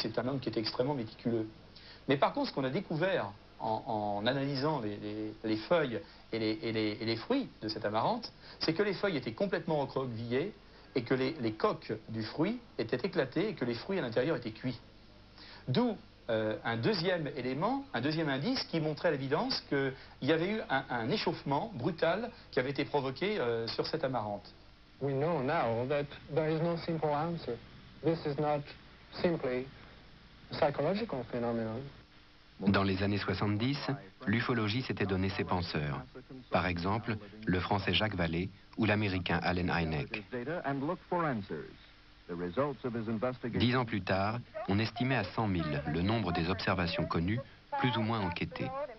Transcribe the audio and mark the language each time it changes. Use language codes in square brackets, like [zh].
[fr] C'est un homme qui était extrêmement méticuleux. Mais par contre, ce qu'on a découvert en analysant les feuilles et les fruits de cette amarante, c'est que les feuilles étaient complètement recroquevillées et que les coques du fruit étaient éclatées et que les fruits à l'intérieur étaient cuits. D'où un deuxième élément, un deuxième indice qui montrait à l'évidence qu'il y avait eu un échauffement brutal qui avait été provoqué sur cette amarante. [en] We know now that there is no simple answer. This is not simply a psychological phenomenon. [fr] Dans les années 70, l'ufologie s'était donné ses penseurs. Par exemple, le français Jacques Vallée ou l'américain Allen Hynek. 10 ans plus tard, on estimait à 100 000 le nombre des observations connues, plus ou moins enquêtées.